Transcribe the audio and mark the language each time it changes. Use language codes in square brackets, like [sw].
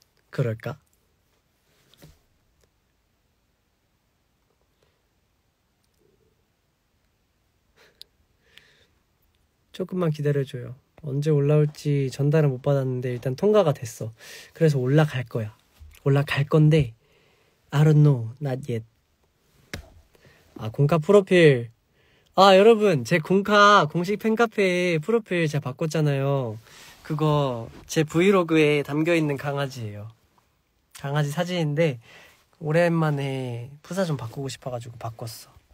[ko] 그럴까? 조금만 기다려줘요. 언제 올라올지 전달은 못 받았는데 일단 통과가 됐어. 그래서 올라갈 거야. 올라갈 건데 [en] I don't know, not yet. [ko] 아 공카 프로필, 아 여러분 제 공카 공식 팬카페에 프로필 제가 바꿨잖아요. 그거 제 브이로그에 담겨있는 강아지예요. 강아지 사진인데 오랜만에 프사 좀 바꾸고 싶어가지고 바꿨어.